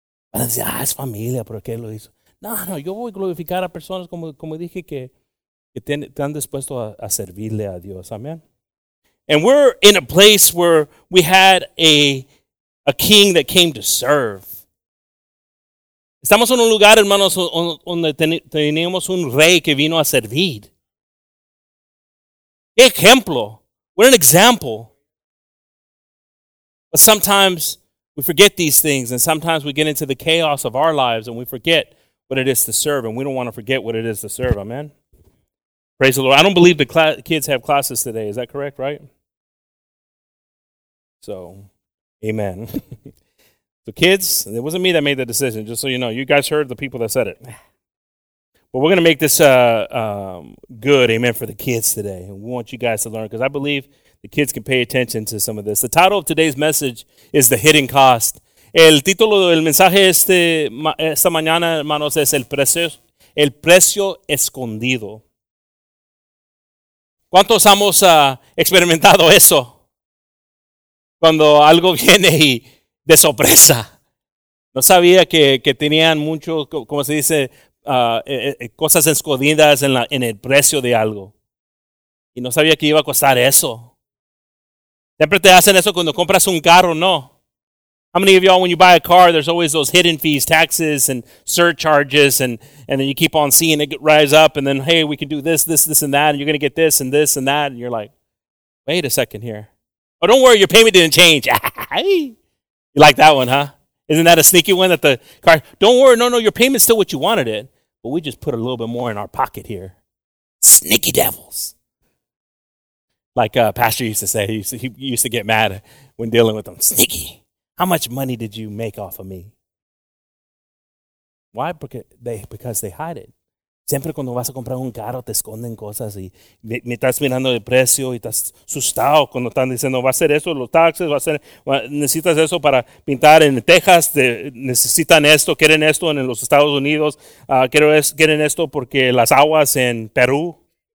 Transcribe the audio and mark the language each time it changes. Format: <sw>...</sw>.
<es>Van a decir, ah, es familia, ¿por qué lo hizo? No, yo voy a glorificar a personas como dije que están dispuestos a servirle a Dios. Amen.</es> <en>And we're in a place where we had a king that came to serve.</en> <es>Estamos en un lugar, hermanos, donde teníamos un rey que vino a servir. ¡Qué ejemplo!</es> <en>What an example! But sometimes we forget these things, and sometimes we get into the chaos of our lives, and we forget what it is to serve, and we don't want to forget what it is to serve. Amen? Praise the Lord. I don't believe the kids have classes today. Is that correct, right? So, Amen. So kids, it wasn't me that made the decision, just so you know. You guys heard the people that said it. But we're going to make this good, amen, for the kids today. And we want you guys to learn, because I believe the kids can pay attention to some of this. The title of today's message is The Hidden Cost.</en> <es>El título del mensaje esta mañana, hermanos, es El Precio Escondido. ¿Cuántos hemos experimentado eso? Cuando algo viene y de sorpresa. No sabía que tenían mucho, como se dice, cosas escondidas en el precio de algo. Y no sabía que iba a costar eso. Siempre te hacen eso cuando compras un carro, ¿no?</es> <en>How many of y'all, when you buy a car, there's always those hidden fees, taxes, and surcharges, and then you keep on seeing it rise up, and then, hey, we can do this, this, this, and that, and you're going to get this, and that, and you're like, wait a second here. Oh, don't worry, your payment didn't change. You like that one, huh? Isn't that a sneaky one that the car, don't worry, no, your payment's still what you wanted it, but we just put a little bit more in our pocket here. Sneaky devils. Like Pastor used to say, he used to get mad when dealing with them. Sneaky. How much money did you make off of me? Why? Because they hide it.</en> <es>Siempre cuando vas a comprar un carro, te esconden cosas y me estás mirando el precio y estás asustado cuando están diciendo, va a ser eso, los</es> <en>taxes,</en> <es>necesitas eso para pintar en Texas, necesitan esto, quieren esto en los Estados Unidos, quieren esto porque las aguas en Perú.</es>